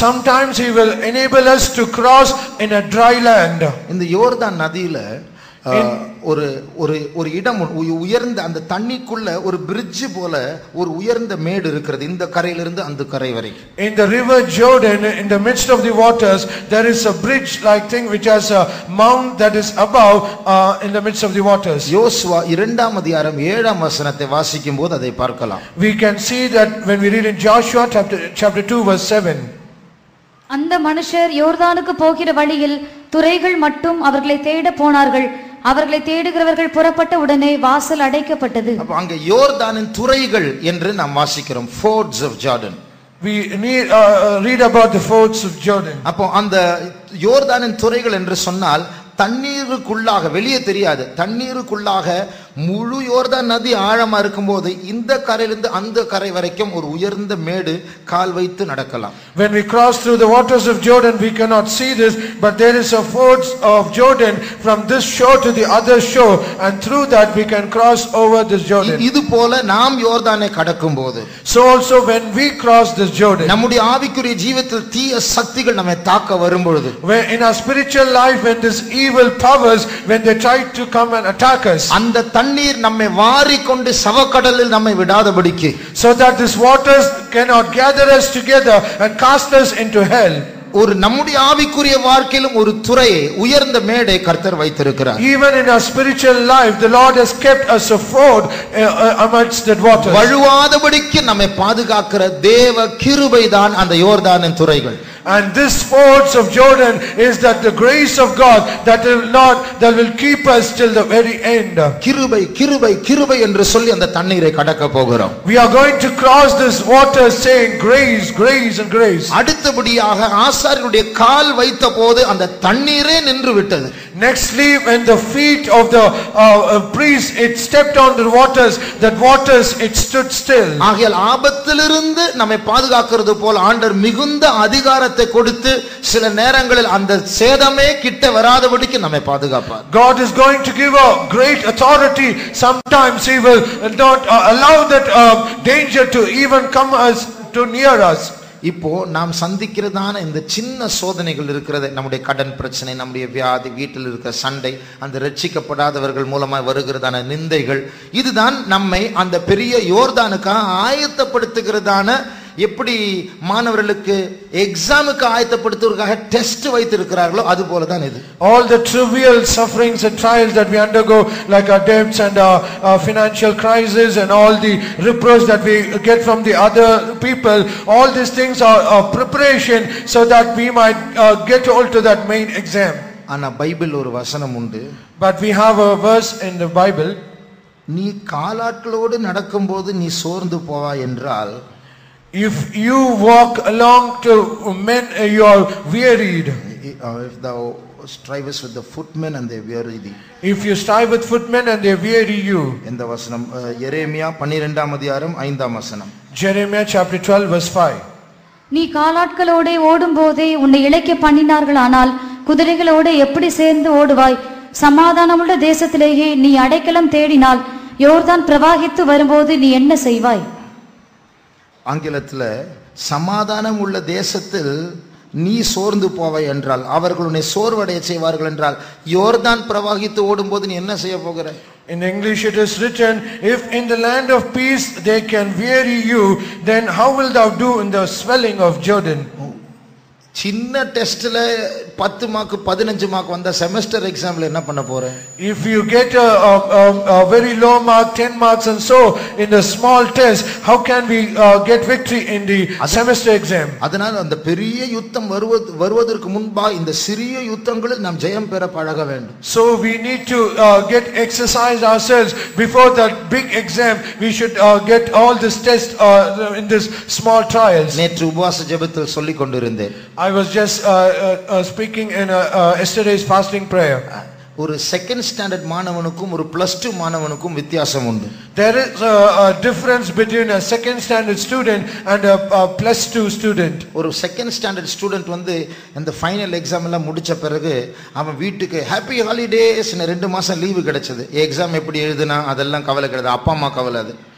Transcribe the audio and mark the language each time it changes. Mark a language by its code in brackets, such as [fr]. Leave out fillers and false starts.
[en] Sometimes he will enable us to cross in a dry land. [ta] இந்த யோர்தான் நதியில ஒரு ஒரு ஒரு இடம், உயர்ந்த அந்த தண்ணிக்குள்ள ஒரு பிரிட்ஜ் போல ஒரு உயர்ந்த மேடு இருக்கிறது, இந்த கரையிலிருந்து அந்த கரை வரை. [en] In the river Jordan, in the midst of the waters, there is a bridge like thing which has a mount that is above in the midst of the waters. [ta] யோசுவா 2 அதிகாரம் 7 வசனத்தை வாசிக்கும் போது அதை பார்க்கலாம். [en] We can see that when we read in Joshua chapter 2 verse 7. [ta] அந்த மனுஷர் யோர்தானுக்கு போகிற வழியில் துறைகள் மட்டும் அவர்களை தேட போனார்கள். அவர்களை தேடுகிறவர்கள் புறப்பட்ட உடனே வாசல் அடைக்கப்பட்டது. அப்ப அங்க யோர்தானின் துறைகள் என்று நாம் வாசிக்கிறோம். [en] Fords of Jordan. We need read about the fords of Jordan. [ta] அப்ப அந்த யோர்தானின் துறைகள் என்று சொன்னால் தண்ணீருக்குள்ளாக, வெளியே தெரியாது, தண்ணீருக்குள்ளாக முழு யோர்தான் நதி ஆழமா இருக்கும் போது இந்த கரையிலிருந்து அந்த கரை வரைக்கும் ஒரு உயர்ந்த மேடு கால் வைத்து நடக்கலாம். [en] When we cross through the waters of Jordan, we cannot see this, but there is a fords of Jordan from this shore to the other shore, and through that we can cross over this Jordan. [ta] இது போல நாம் யோர்தானை கடக்கும் போது, [en] so also when we cross this Jordan, [ta] நம்முடைய ஆவிக்குரிய ஜீவத்தில் தீய சக்திகள் நம்மை தாக்க வரும் பொழுது, [en] when in our spiritual life when this evil powers when they try to come and attack us, [ta] அந்த தண்ணீர் நம்மை வாரி கொண்டு சவக்கடலில் நம்மை விடாதபடிக்கு, [en] so that this waters cannot gather us together and cast us into hell. [ta] ஒரு நம்முடைய ஆவிக்குரிய வாழ்க்கையிலும் ஒரு துறையை, உயர்ந்த மேடை கர்த்தர் வைத்திருக்கிறார். [en] Even in our spiritual life the Lord has kept us a ford amongst that waters. [ta] வழுவாதபடிக்கு நம்மை பாதுகாக்கிற தேவ கிருபைதான் அந்த யோர்தானின் துறைகள். [en] And this fords of Jordan is that the grace of God that will not, that will keep us till the very end. [ta] கிருபை கிருபை கிருபை என்று சொல்லி அந்த தண்ணீரை கடக்க போகிறோம். [en] We are going to cross this water saying grace, grace and grace. [ta] அடுத்தபடியாக ஆசாரியுடைய கால் வைத்தபோது அந்த தண்ணீரே நின்று விட்டது. [en] Nextly when the feet of the priest it stepped on the waters, that waters it stood still. [ta] ஆகையால் ஆபத்திலிருந்து நம்மை பாதுகாக்கிறது போல ஆண்டவர் மிகுந்த அதிகாரத்தை கொடுத்து சில நேரங்களில் அந்த சேதமே கிட்ட வராதபடிக்கு நம்மை பாதுகாப்பார். [en] God is going to give a great authority. Sometimes he will not allow that danger to even come us to near us. [ta] இப்போ நாம் சந்திக்கிறதான இந்த சின்ன சோதனைகள் இருக்கிறது, நம்முடைய கடன் பிரச்சனை, நம்முடைய வியாதி, வீட்டில் இருக்கிற சண்டை, அந்த ரட்சிக்கப்படாதவர்கள் மூலமாக வருகிறதான நிந்தைகள், இதுதான் நம்மை அந்த பெரிய யோர்தானுக்காக ஆயத்தப்படுத்துகிறதான, எப்படி மாணவர்களுக்கு எக்ஸாமுக்கு ஆயத்தப்படுத்துவதற்காக டெஸ்ட் வைத்திருக்கிறார்களோ அது போல தான் இது. [en] All the trivial sufferings and trials that we undergo, like our debts and our financial crisis and all the reproach that we get from the other people, all these things are preparation so that we might get all to that main exam. [ta] ஆனா Bible ஒரு வசனம் உண்டு. [en] But we have a verse in the Bible. [ta] நீ காலாட்களோடு நடக்கும்போது நீ சோர்ந்து போவாய் என்றால், [en] if you walk along to men you are wearied, if thou strive with the footmen and they weary thee, if you strive with footmen and they weary you. In the vasanam Jeremiah 12th adhyayam 5th vasanam, Jeremiah chapter 12 verse 5. [ta] நீ காலாட்களோடு ஓடும்போது உன்னை இளைக்க பண்ணினார்கள், ஆனால் குதிரைகளோடு எப்படி சேர்ந்து ஓடுவாய்? சமாதானமுள்ள தேசத்திலேயே நீ அடைக்கலம் தேடினால் யோர்தான் பிரவாகித்து வரும்போது நீ என்ன செய்வாய்? ஆங்கிலத்தில் சமாதானம் உள்ள தேசத்தில் நீ சோர்ந்து போவை என்றால், அவர்கள் உன்னை சோர்வடைய செய்வார்கள் என்றால், யோர்தான் பிரவாகித்து ஓடும் போது நீ என்ன செய்ய போகிறாய்? [en] In English it is written, if in the land of peace they can weary you, then how will thou do in the swelling of Jordan? [ta] சின்ன டெஸ்ட்ல 10 மார்க் 15 மார்க் வந்த செமஸ்டர் எக்ஸாம்ல என்ன பண்ண போறே? [en] If you get a very low mark, 10 marks and so in the small test, how can we get victory in the semester exam? [ta] அதனால அந்த பெரிய யுத்தம் வருவதற்கு முன்பா இந்த சிறிய யுத்தங்களில் நாம் ஜெயம் பெற பழக வேண்டும். [en] So we need to get exercise ourselves before that big exam. We should get all this test in this small trials. [ta] நேற்று உபவாச ஜெபத்தில் சொல்லி கொண்டிருந்தேன். [en] I was just speaking in yesterday's fasting prayer. [ta] ஒரு செகண்ட் ஸ்டாண்டர்ட் மாணவனுக்கும் ஒரு plus two மாணவனுக்கும் வித்தியாசம் உண்டு. [en] There is a difference between a second standard student and a plus two student. [ta] ஒரு செகண்ட் ஸ்டாண்டர்ட் ஸ்டூடெண்ட் வந்து அந்த ஃபைனல் எக்ஸாம் எல்லாம் முடிச்ச பிறகு அவன் வீட்டுக்கு [en] happy holidays [ta] ரெண்டு மாசம் லீவு கிடைச்சது. எக்ஸாம் எப்படி எழுதுனா அதெல்லாம் கவலை கிடையாது, அப்பா அம்மா கவலை அது.